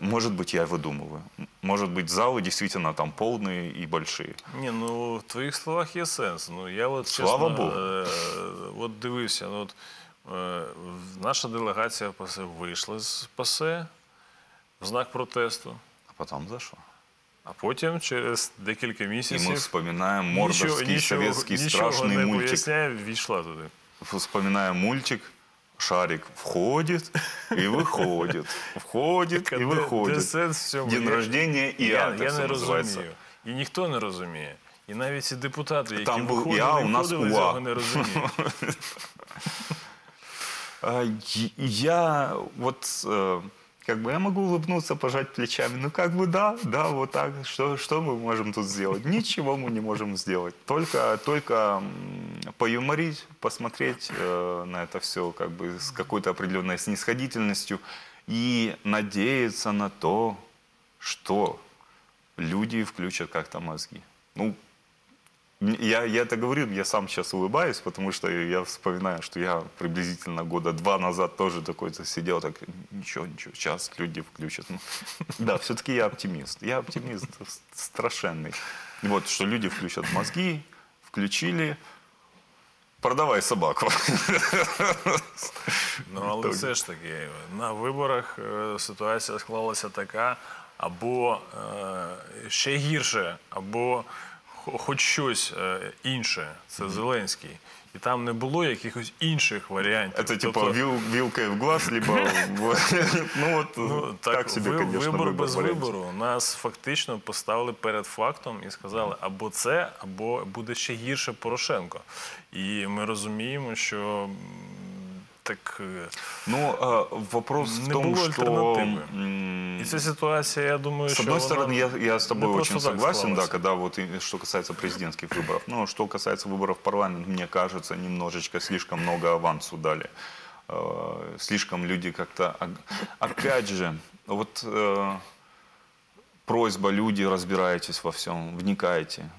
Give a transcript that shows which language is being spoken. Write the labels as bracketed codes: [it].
[ru] Может быть, я выдумываю. Может быть, залы действительно там полные и большие. Не, ну, в твоих словах есть сенс. Ну, я вот, слава честно, Богу. Вот [uk] дивився, [ru] ну, вот, наша делегация в ПАСЕ вышла из ПАСЕ в знак протесту. А потом зашла. [uk] А потім, через декілька місяців... І ми спомінаємо мордорський, совєтський, страшний мультик. Нічого не поясняє, війшла туди. Спомінаємо мультик, шарик входить і виходить. Входить і виходить. День рождення і Іа, я не розумію. І ніхто не розуміє. І навіть ці депутати, які виходили, у нас УА. Цього не розуміють. [ru] Я вот как бы я могу улыбнуться, пожать плечами. Ну как бы да, да, вот так. Что мы можем тут сделать? Ничего мы не можем сделать. Только поюморить, посмотреть на это все как бы с какой-то определенной снисходительностью и надеяться на то, что люди включат как-то мозги. Ну, я это говорю, я сам сейчас улыбаюсь, потому что я вспоминаю, что я приблизительно года два назад тоже такой-то сидел, так, ничего, сейчас люди включат. Да, все-таки я оптимист. Я оптимист страшенный. Вот, что люди включат мозги, включили, продавай собаку. [uk] Ну, але все ж таки, на виборах ситуація склалася така, або ще гірше, або хоч щось інше, це Зеленський. І там не було якихось інших варіантів. Це, типу, [ru] вілка в глаз, либо... [uk] Ну, от, так собі, звісно, вибор без вибору. Нас фактично поставили перед фактом і сказали, або це, або буде ще гірше Порошенко. І ми розуміємо, що так... Ну, вопрос в тому, що... Не було альтернативи. [ru] И эта ситуация, я думаю, с одной стороны, я с тобой очень согласен, да, когда вот что касается президентских выборов. Но что касается выборов в парламент, мне кажется, немножечко слишком много авансу дали. Слишком люди как-то... Опять же, вот просьба, люди, разбирайтесь во всем, вникайте.